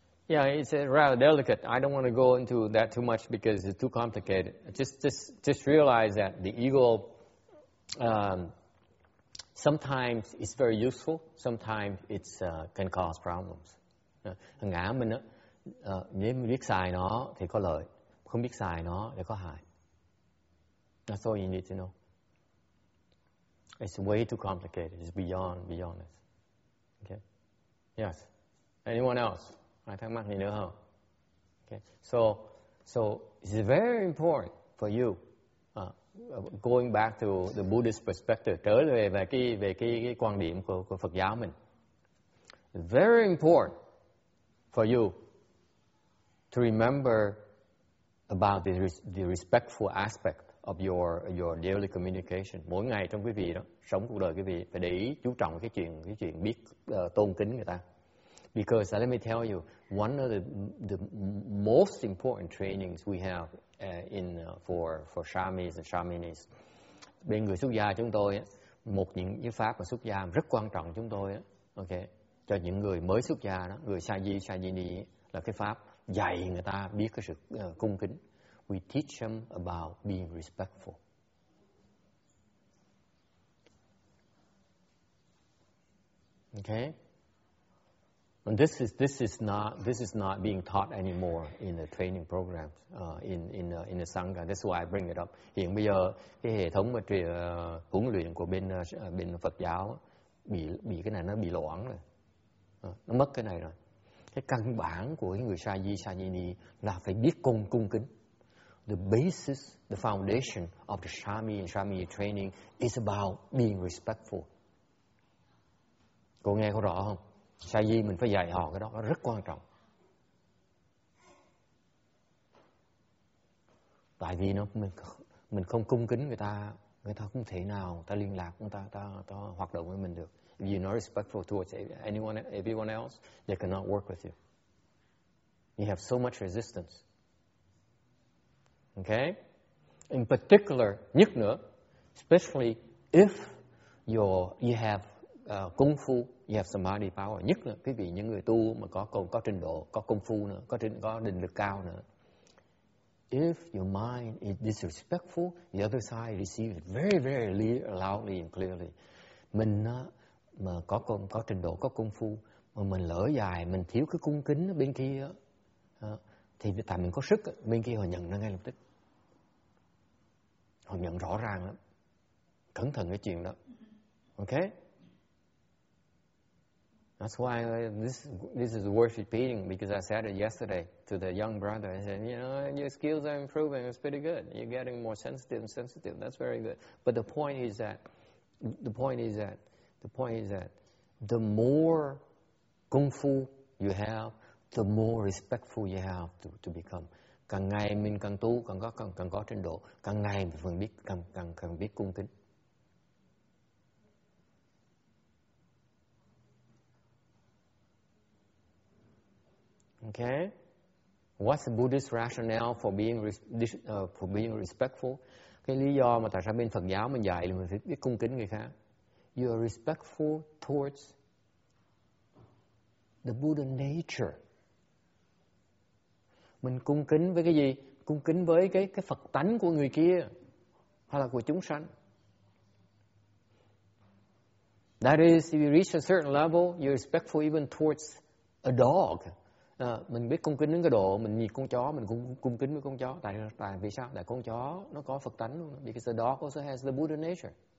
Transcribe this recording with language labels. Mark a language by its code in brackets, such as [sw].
[en] Yeah, it's rather delicate. I don't want to go into that too much because it's too complicated. Just realize that the ego sometimes it's very useful. Sometimes it's can cause problems. [vi] Ngã mình á, nếu biết xài nó thì có lợi. Không biết xài nó thì có hại. [en] That's all you need to know. It's way too complicated. It's beyond this. Okay. Yes. Anyone else? [vi] Ai thắc mắc gì nữa không? [en] Okay. So it's very important for you. Going back to the Buddhist perspective, [vi] trở về về cái quan điểm của Phật giáo mình. [en] Very important for you to remember about the respectful aspect of your daily communication. [vi] Mỗi ngày trong quý vị đó, sống cuộc đời quý vị phải để ý chú trọng cái chuyện biết tôn kính người ta. [en] Because let me tell you, one of the most important trainings we have in for shamis and shaminis. [vi] Bên người xuất gia chúng tôi á, một những cái pháp mà xuất gia rất quan trọng chúng tôi á, okay, cho những người mới xuất gia đó, người sa di ni là cái pháp dạy người ta biết cái sự cung kính. [en] We teach them about being respectful. Okay? And this is not being taught anymore in the training programs in the sangha. That's why I bring it up. [vi] Hiện bây giờ cái hệ thống mà huấn luyện của bên Phật giáo bị cái này nó bị loãng rồi. Nó mất cái này rồi. Cái căn bản của người sa di ni là phải biết cung kính. [en] The basis, the foundation of the Shami and Shami training is about being respectful. [vi] Cô nghe có rõ không? Sa di mình phải dạy họ cái đó, nó rất quan trọng. Tại vì nó mình không cung kính người ta không thể nào ta liên lạc, người ta hoạt động với mình được. [en] If you're not respectful towards anyone, everyone else, they cannot work with you. You have so much resistance. Okay? In particular, [vi] nhất nữa, [en] especially if you have kung fu, you have samadhi power. [vi] Nhất nữa, quý vị những người tu mà có trình độ, có kung fu nữa, có định lực cao nữa. [en] If your mind is disrespectful, the other side receives it very, very loudly and clearly. [vi] Mình mà có trình độ, có công phu, mà mình lỡ dài, mình thiếu cái cung kính bên kia, thì tại mình có sức, bên kia họ nhận nó ngay lập tức. Họ nhận rõ ràng lắm. Cẩn thận cái chuyện đó. Okay? [en] That's why this is worth repeating, because I said it yesterday to the young brother. I said, you know, your skills are improving. It's pretty good. You're getting more sensitive. That's very good. But the point is that the more kung fu you have, the more respectful you have to become. [vi] Càng ngày mình càng tu, càng có trình độ, càng ngày mình phải biết càng biết cung kính. [en] Okay, what's the Buddhist rationale for being respectful? [vi] Cái lý do mà tại sao bên Phật giáo mình dạy là mình phải biết cung kính người khác. [en] You are respectful towards the Buddha nature. [vi] Mình cung kính với cái gì? Cung kính với cái Phật tánh của người kia hay là của chúng sanh. [en] That is, if you reach a certain level, you're respectful even towards a dog. [vi] Mình biết cung kính đến cái độ mình nhìn con chó, mình cũng cung kính với con chó. Tại vì sao? Tại con chó nó có Phật tánh luôn. [en] Because the dog also has the Buddha nature.